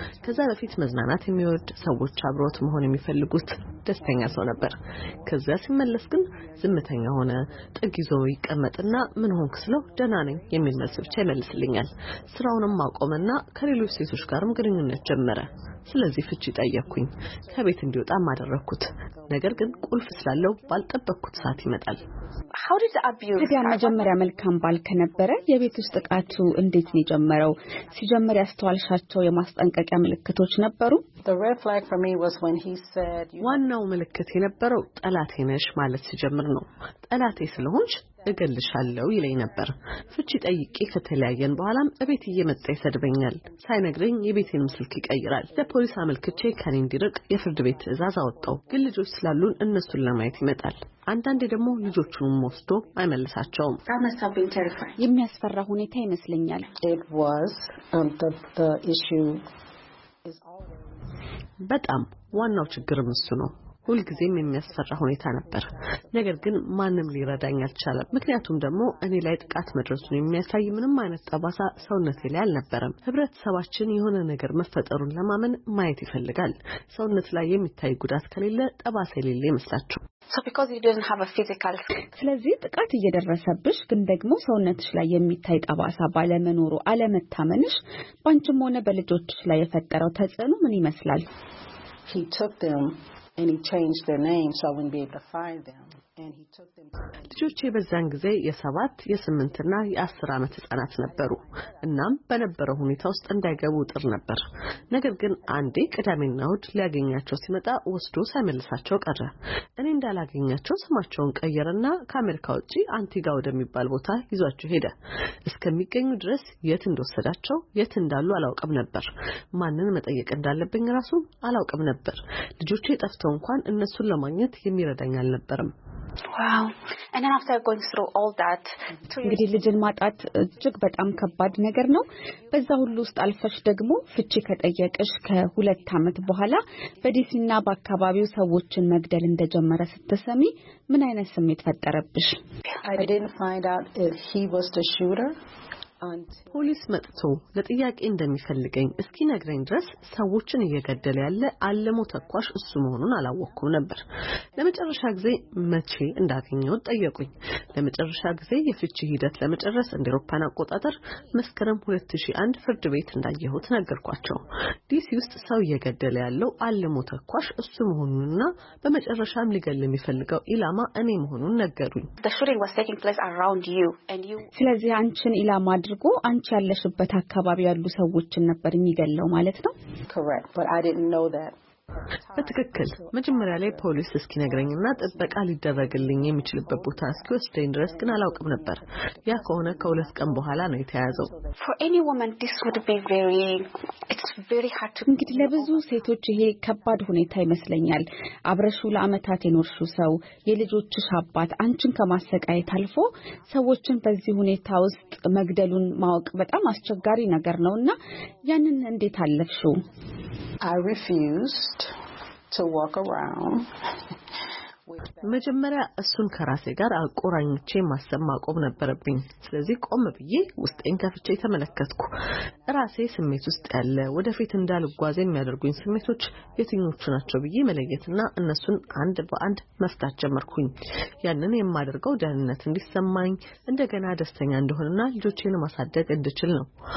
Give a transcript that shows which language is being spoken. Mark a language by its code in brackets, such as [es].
[am] ከዛ በፊት መዝናናት የሚወድ ሰዎች አብሮት መሆን የሚፈልጉት ደስተኛ ሰው ነበር። ከዛ ሲመለስ ግን ዝምተኛ ሆነ። ጥግ ይዞ ይቀመጥና ምን ሆንክ ስለው ደና ነኝ የሚል መልስ ብቻ ይመልስልኛል። ስራውንም ማቆመና ከሌሎች ሴቶች ጋርም ግንኙነት ጀመረ። ስለዚህ ፍቺ ጠየቅኩኝ። ከቤት እንዲወጣ ማደረኩት። ነገር ግን ቁልፍ ስላለው ባልጠበቅኩት ሰዓት ይመጣል። [en] How did the abuse? [am] ከዚያ መጀመሪያ መልካም ባል ከነበረ የቤት ውስጥ ጥቃቱ እንዴት ነው የጀመረው? ሲጀምር ያስተዋልሻቸው የማስጠንቀቂያ ምልክቶች ነበሩ? [en] The red flag for me was when he said one no [am] ምልክት የነበረው ጠላቴ ነሽ ማለት ሲጀምር ነው። ጠላቴ ስለሆንሽ እገልሻለሁ ይለኝ ነበር። ፍቺ ጠይቄ ከተለያየን በኋላም እቤት እየመጣ ይሰድበኛል። ሳይነግረኝ የቤቴን ስልክ ይቀይራል። ለፖሊስ አመልክቼ ከኔ እንዲርቅ የፍርድ ቤት ትዕዛዝ አወጣው። ግን ልጆች ስላሉን እነሱን ለማየት ይመጣል። አንዳንዴ ደግሞ ልጆቹን ሞስቶ አይመልሳቸውም። የሚያስፈራ ሁኔታ ይመስለኛል። [en] It was the issue [am] በጣም ዋናው ችግርም እሱ ነው። ሁልጊዜም የሚያስፈራ ሁኔታ ነበር። ነገር ግን ማንም ሊረዳኝ አልቻለም። ምክንያቱም ደግሞ እኔ ላይ ጥቃት መድረሱን የሚያሳይ ምንም አይነት ጠባሳ ሰውነቴ ላይ አልነበረም። ህብረተሰባችን የሆነ ነገር መፈጠሩን ለማመን ማየት ይፈልጋል። ሰውነት ላይ የሚታይ ጉዳት ከሌለ ጠባሳ የሌለ ይመስላችኋል? [en] So because you didn't have a physical. [am] ስለዚህ ጥቃት እየደረሰብሽ ግን ደግሞ ሰውነትሽ ላይ የሚታይ ጠባሳ ባለመኖሩ አለመታመንሽ ባንቺም ሆነ በልጆችሽ ላይ የፈጠረው ተጽዕኖ ምን ይመስላል? [en] He took them and he changed their names so I wouldn't be able to find them. And he took them. [am] ልጆቼ በዛን ጊዜ የ7 የ8 እና የ10 አመት ህጻናት ነበሩ። እናም በነበረው ሁኔታ ውስጥ እንዳይገቡ ጥር ነበር። ነገር ግን አንዴ ቀዳሚና ውድ ሊያገኛቸው ሲመጣ ወስዶ ሳይመልሳቸው ቀረ። እኔ እንዳላገኛቸው ስማቸውን ቀየረና ካሜሪካ ውጪ አንቲጋው ደሚባል ቦታ ይዟቸው ሄደ። እስከሚገኙ ድረስ የት እንደወሰዳቸው የት እንዳሉ አላውቅም ነበር። ማንን መጠየቅ እንዳለብኝ ራሱ አላውቅም ነበር። ልጆቼ ጠፍተው እንኳን እነሱን ለማግኘት የሚረዳኝ አልነበረም። [en] Wow. And then after going through all that, [am] እንግዲህ ልጅን ማጣት እጅግ በጣም ከባድ ነገር ነው። በዛ ሁሉ ውስጥ አልፈሽ ደግሞ ፍቺ ከጠየቀሽ ከሁለት አመት በኋላ በዲሲና በአካባቢው ሰዎችን መግደል እንደጀመረ ስትሰሚ ምን አይነት ስሜት ፈጠረብሽ? [en] I didn't find out if he was the shooter. [am] ፖሊስ መጥቶ ለጥያቄ እንደሚፈልገኝ እስኪ ነግረኝ ድረስ ሰዎችን እየገደለ ያለ አለሞ ተኳሽ እሱ መሆኑን አላወቅኩም ነበር። ለመጨረሻ ጊዜ መቼ እንዳገኘው ጠየቁኝ። ለመጨረሻ ጊዜ የፍቺ ሂደት ለመጨረስ እንደ አውሮፓና አቆጣጥር መስከረም 2001 ፍርድ ቤት እንዳየሁት ነገርኳቸው። ዲሲ ውስጥ ሰው እየገደለ ያለው አለሞ ተኳሽ እሱ መሆኑንና በመጨረሻም ሊገል የሚፈልገው ኢላማ እኔ መሆኑን ነገሩኝ። [en] The shooting was taking place around you and you [am] ስለዚህ አንቺን ኢላማ አድርጎ አንቺ ያለሽበት አካባቢ ያሉ ሰዎችን ነበር የሚገለው ማለት ነው? [en] Correct, but I didn't know that. [am] በትክክል መጀመሪያ ላይ ፖሊስ እስኪነግረኝና ጥበቃ ሊደረግልኝ የሚችልበት ቦታ እስኪወስደኝ ድረስ ግን አላውቅም ነበር። ያ ከሆነ ከሁለት ቀን በኋላ ነው የተያዘው። [en] For any woman this would be very it's very hard to [am] እንግዲህ ለብዙ ሴቶች ይሄ ከባድ ሁኔታ ይመስለኛል። አብረሹ ለአመታት የኖርሹ ሰው የልጆችሽ አባት አንቺን ከማሰቃየት አልፎ ሰዎችን በዚህ ሁኔታ ውስጥ መግደሉን ማወቅ በጣም አስቸጋሪ ነገር ነውና ያንን እንዴት አለፍሽው? [en] I refused to walk around. [am] መጀመሪያ እሱን ከራሴ ጋር አቆራኝቼ ማሰማ ቆም ነበርብኝ። ስለዚህ ቆም ብዬ ውስጤን ከፍቼ ተመለከትኩ። ራሴ ስሜት ውስጥ ያለ ወደፊት እንዳልጓዝ የሚያደርጉኝ ስሜቶች የትኞቹ ናቸው ብዬ መለየትና እነሱን አንድ በአንድ መፍታት ጀመርኩኝ። ያንን የማደርገው ደህንነት እንዲሰማኝ እንደገና ደስተኛ እንድሆንና ልጆቼን ማሳደግ እንድችል ነው።